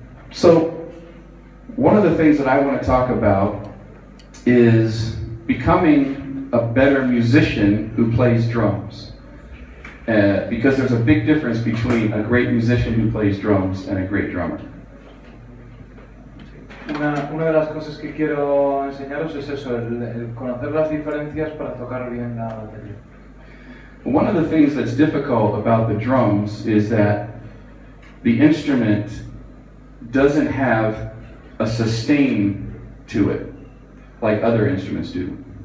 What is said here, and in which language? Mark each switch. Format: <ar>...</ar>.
<en>So, one of the things that I want to talk about is becoming a better musician who plays drums. Because there's a big difference between a great musician who plays drums and a great drummer.</en> <es>Una de las cosas que quiero enseñaros es eso, el conocer las diferencias para tocar bien la batería.</es> <en>One of the things that's difficult about the drums is that the instrument doesn't have a sustain to it, like other instruments do.</en>